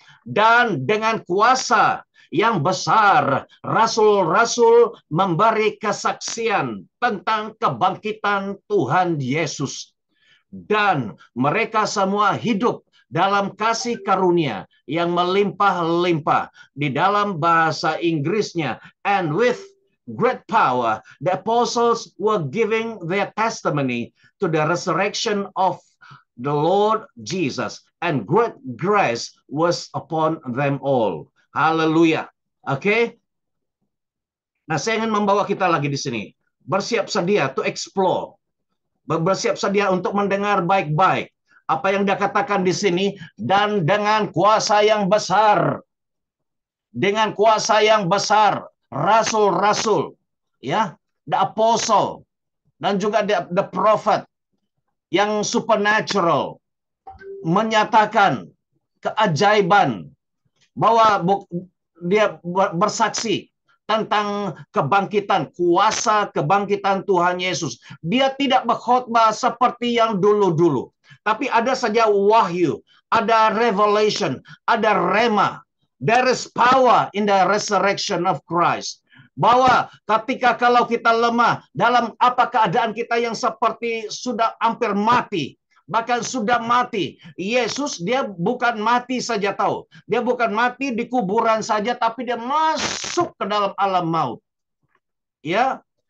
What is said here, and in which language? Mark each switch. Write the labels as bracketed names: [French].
[Indonesian] Dan dengan kuasa yang besar, rasul-rasul memberi kesaksian tentang kebangkitan Tuhan Yesus. Dan mereka semua hidup dalam kasih karunia yang melimpah-limpah. Di dalam bahasa Inggrisnya, [English] and with great power, the apostles were giving their testimony to the resurrection of the Lord Jesus, and great grace was upon them all. [Indonesian] Hallelujah. Okay? Nah, saya ingin membawa kita lagi di sini. Bersiap sedia [English] to explore. [Indonesian] Bersiap sedia untuk mendengar baik-baik apa yang dia katakan di sini. Dan dengan kuasa yang besar, dengan kuasa yang besar, rasul-rasul, ya, [English] the apostle, [Indonesian] dan juga [English] the prophet [Indonesian] yang supernatural menyatakan keajaiban bahwa dia bersaksi tentang kebangkitan, kuasa kebangkitan Tuhan Yesus. Dia tidak berkhotbah seperti yang dulu-dulu. Tapi ada saja wahyu, ada revelation, ada rema. [English] There is power in the resurrection of Christ. [Indonesian] Bahwa ketika kalau kita lemah, dalam apa keadaan kita yang seperti sudah hampir mati, bahkan sudah mati, Yesus dia bukan mati saja tahu. Dia bukan mati di kuburan saja, tapi dia masuk ke dalam alam maut. Ya,